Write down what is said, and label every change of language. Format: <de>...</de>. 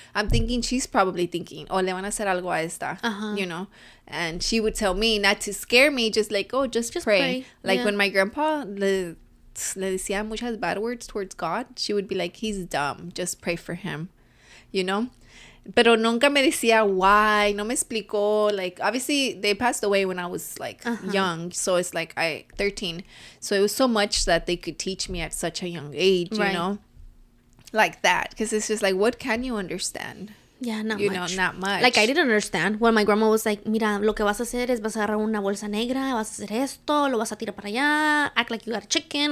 <en>I'm thinking she's probably thinking, oh,</en> <es>le van a hacer algo a esta,</es> <en>you know? And she would tell me not to scare me, just like, oh, just pray. Like, when my grandpa</en> <es>le decía muchas</es> <en>bad words towards God, she would be like, he's dumb, just pray for him, you know?</en> <es>Pero nunca me decía why, no me explicó.</es> <en>Like, obviously, they passed away when I was, like, young. So, it's, like, 13. So, it was so much that they could teach me at such a young age, you know? Like that. Because it's just, like, what can you understand? Yeah, not you much. You know, not much. Like, I didn't understand. When my grandma was, like,</en> <es>mira, lo que vas a hacer es vas a agarrar una bolsa negra, vas a hacer esto, lo vas a tirar para allá,</es> <en>act like you got a chicken.</en>